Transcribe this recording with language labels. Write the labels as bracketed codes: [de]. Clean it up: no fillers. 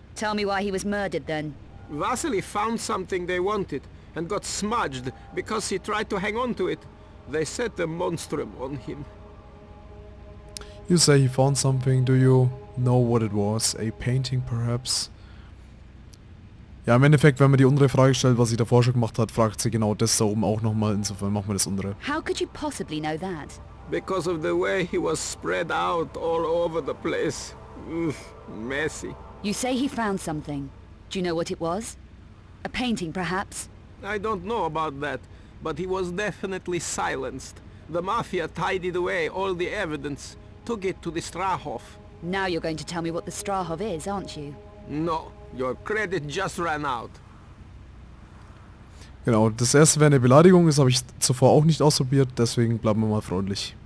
[en] Tell me why he was murdered then. Vasily found something they wanted and got smudged because he tried to hang on to it. They set the monstrum on him. You say he found something, do you know what it was? A painting, perhaps? [de] Ja, im Endeffekt, wenn man die untere Frage stellt, was sie davor schon gemacht hat, fragt sie genau das da oben auch nochmal, insofern machen wir das untere. [en] How could you possibly know that? Because of the way he was spread out all over the place. Messy. You say he found something. Do you know what it was? A painting, perhaps? I don't know about that. But he was definitely silenced. The Mafia tidied away all the evidence, took it to the Strahov. Now you're going to tell me what the Strahov is, aren't you? No, your credit just ran out. [de] Genau, das erste wäre eine Beleidigung, das habe ich zuvor auch nicht ausprobiert, deswegen bleiben wir mal freundlich.